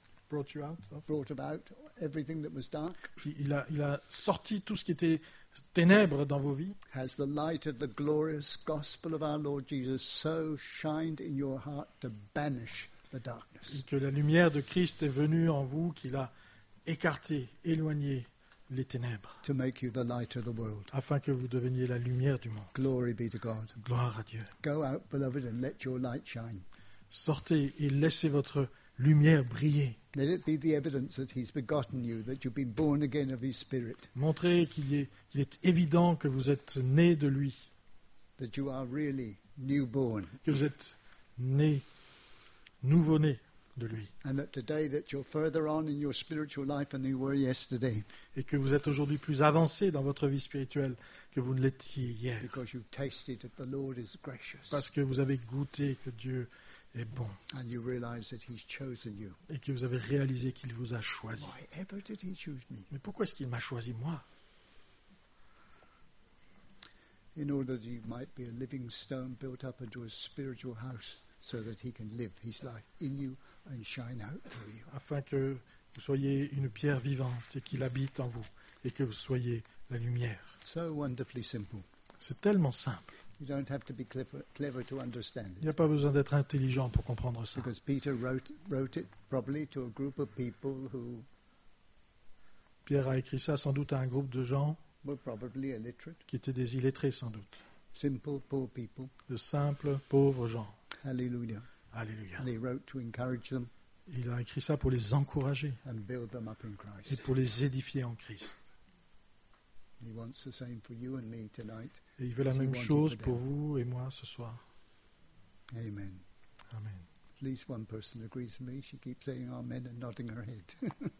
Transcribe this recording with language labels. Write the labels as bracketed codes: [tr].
[en] Brought about everything that was dark. [fr] Il a sorti tout ce qui était ténèbres dans vos vies. [en] Has the light of the glorious gospel of our Lord Jesus so shined in your heart to banish the darkness? [fr] Et que la lumière de Christ est venue en vous, qu'il a écarté, éloigné les ténèbres. [en] To make you the light of the world. [fr] Afin que vous deveniez la lumière du monde. [en] Glory be to God. [fr] Gloire à Dieu. [en] Go out, beloved, and let your light shine. [fr] Sortez et laissez votre lumière briller. [en] Let it be the evidence that he's begotten you, that you've been born again of his spirit. [fr] Montrez qu'il est évident que vous êtes né de lui. [en] That you are really newborn. [fr] Que vous êtes né, nouveau-né de lui. [en] And that today that you're further on in your spiritual life than you were yesterday. [fr] Et que vous êtes aujourd'hui plus avancé dans votre vie spirituelle que vous ne l'étiez hier. [en] Because you've tasted that the Lord is gracious. [fr] Parce que vous avez goûté que Dieu est bon. [en] And you realize that he's chosen you. [fr] Et que vous avez réalisé qu'il vous a choisi. [en] Why ever did he choose me? [fr] Mais pourquoi est-ce qu'il m'a choisi moi? [en] In order that he might be a living stone built up into a spiritual house so that he can live his life in you and shine out through you. [fr] Afin que vous soyez une pierre vivante et qu'il habite en vous et que vous soyez la lumière. [en] So wonderfully simple. [fr] C'est tellement simple. [en] You don't have to be clever to understand it. [fr] Il n'y a pas besoin d'être intelligent pour comprendre ça. [en] Because Peter wrote it probably to a group of people who. [fr] Pierre a écrit ça sans doute à un groupe de gens. [en] Were probably illiterate. [fr] Qui étaient des illettrés sans doute. [en] Simple poor people. [fr] De simples pauvres gens. [en] Hallelujah. [fr] Alléluia. [en] And he wrote to encourage them. [fr] Il a écrit ça pour les encourager. [en] And build them up in Christ. [fr] Et pour les édifier en Christ. [en] He wants the same for you and me tonight. [fr] Et il veut la même chose pour vous et moi ce soir. [en] Amen. [fr] Amen. [en] At least one person agrees with me. She keeps saying amen and nodding her head.